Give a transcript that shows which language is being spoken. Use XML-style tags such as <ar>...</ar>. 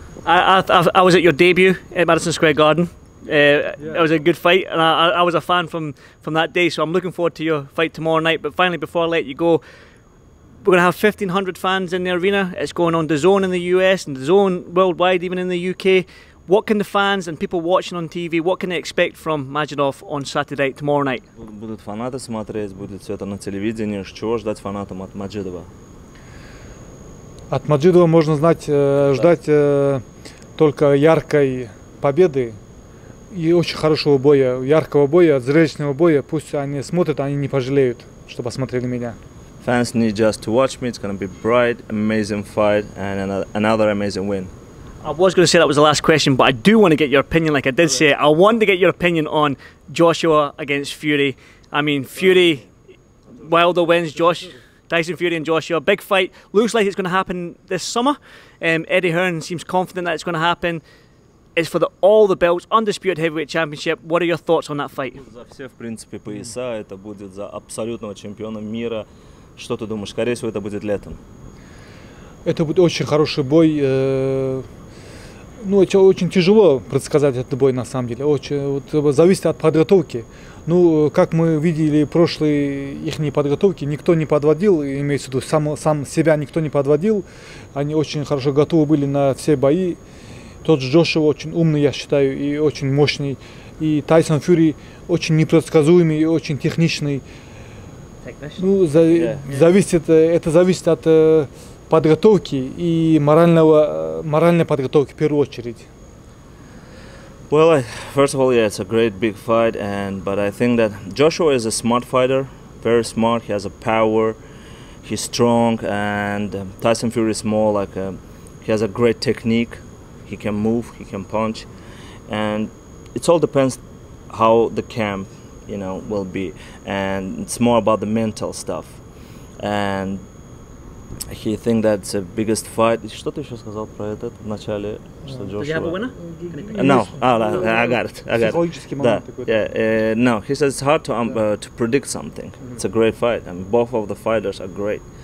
<en>I was at your debut at Madison Square Garden. It was a good fight, and I was a fan from that day, so I'm looking forward to your fight tomorrow night. But finally, before I let you go, we're going to have 1,500 fans in the arena. It's going on DAZN in the US and DAZN worldwide, even in the UK. What can the fans and people watching on TV, what can they expect from Majidov on Saturday, tomorrow night?</en> <ru>Будут фанаты смотреть, будет все это на телевидении. Чего ждать фанатам от Маджидова? От Маджидова можно ждать только яркой победы. И очень хорошего боя, яркого боя, зрелищного боя. Пусть они смотрят, они не пожалеют, что посмотрели меня.</ru> <en>Fans need just to watch me. It's going to be bright, amazing fight and another amazing win. I was going to say that was the last question, but I do want to get your opinion. Like I did say, I want to get your opinion on Joshua against Fury. I mean, Fury, Wilder wins, Josh... Tyson Fury and Joshua, big fight. Looks like it's going to happen this summer. Eddie Hearn seems confident that it's going to happen. It's for all the belts, undisputed heavyweight championship. What are your thoughts on that fight?</en> <ru>За все, в принципе, пояса. Это будет за абсолютного чемпиона мира. Что ты думаешь? Скорее всего, это будет летом. Это будет очень хороший бой. Ну, очень тяжело предсказать этот бой, на самом деле. Зависит от подготовки. Ну, как мы видели прошлые их подготовки, никто не подводил, имеется в виду, сам себя никто не подводил. Они очень хорошо готовы были на все бои. Тот же Джошуа очень умный, я считаю, и очень мощный. И Тайсон Фьюри очень непредсказуемый и очень техничный. Ну, зависит от подготовки и моральной подготовки в первую очередь.</ru> <en>Well, first of all, yeah, it's a great big fight, but I think that Joshua is a smart fighter, very smart, he has a power. he's strong, and Tyson Fury is more like a, he has a great technique. He can move, he can punch, and it all depends how the camp, you know, will be. And it's more about the mental stuff. And he think that's the biggest fight.</en> <ru>Что ты еще сказал про этот в начале, что Джошуа?</ru> <en>Did you have a winner? No. Oh, no, I got it.</en> <ru>Психологический момент такой.</ru> <en>Yeah. No, he says it's hard to predict something. Mm-hmm. It's a great fight, and both of the fighters are great.</en>